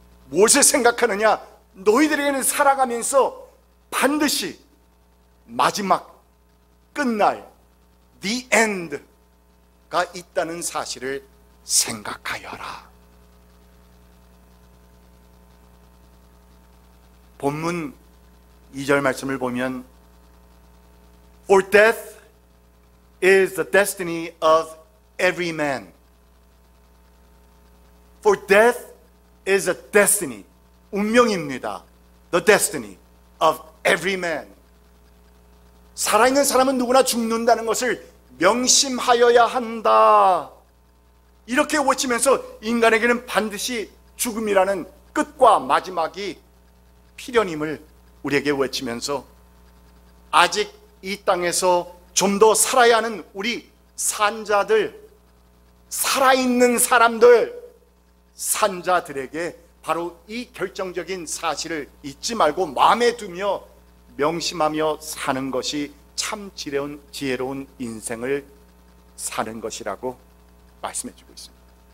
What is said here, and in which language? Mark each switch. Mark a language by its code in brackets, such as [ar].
[ko] 무엇을 생각하느냐? 너희들에게는 살아가면서 반드시 마지막 끝날 [en] the end [ko] 가 있다는 사실을 생각하여라. 본문 2절 말씀을 보면 [en] For death is the destiny of every man. For death is a destiny, [ko] 운명입니다. [en] The destiny of every man. [ko] 살아있는 사람은 누구나 죽는다는 것을 명심하여야 한다. 이렇게 외치면서 인간에게는 반드시 죽음이라는 끝과 마지막이 필연임을 우리에게 외치면서 아직 이 땅에서 좀 더 살아야 하는 우리 산자들, 살아있는 사람들, 산자들에게 바로 이 결정적인 사실을 잊지 말고 마음에 두며 명심하며 사는 것이 참 지혜로운 인생을 사는 것이라고 말씀해 주고 있습니다.